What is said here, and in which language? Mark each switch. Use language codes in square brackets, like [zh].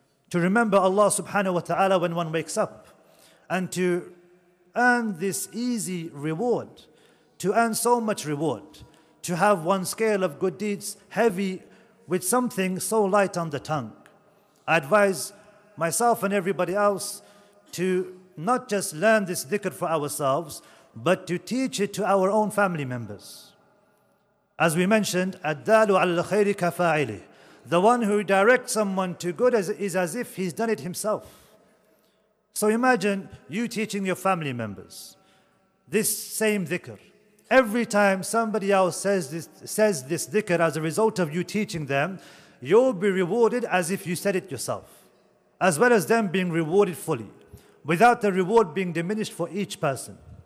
[en] To remember Allah subhanahu wa ta'ala when one wakes up, and to earn this easy reward, to earn so much reward, to have one scale of good deeds heavy with something so light on the tongue. I advise myself and everybody else to not just learn this dhikr for ourselves, but to teach it to our own family members. As we mentioned, [ar] الدَّالُ عَلَى الْخَيْرِ كَفَاعِلِهِ. [en] The one who directs someone to good is as if he's done it himself. So imagine you teaching your family members this same dhikr. Every time somebody else says this dhikr as a result of you teaching them, you'll be rewarded as if you said it yourself, as well as them being rewarded fully, without the reward being diminished for each person.